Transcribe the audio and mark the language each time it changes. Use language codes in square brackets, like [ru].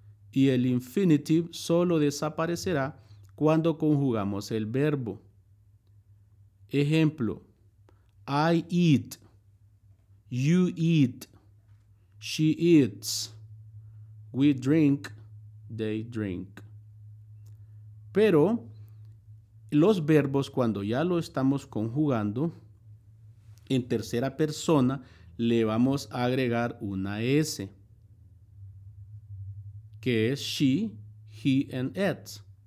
[es] Y el infinitive solo desaparecerá cuando conjugamos el verbo. [en] Ejemplo, I eat, you eat, she eats, we drink, they drink. [es] Pero los verbos, cuando ya lo estamos conjugando en tercera persona, le vamos a agregar una S, que es [en] she, he, and it.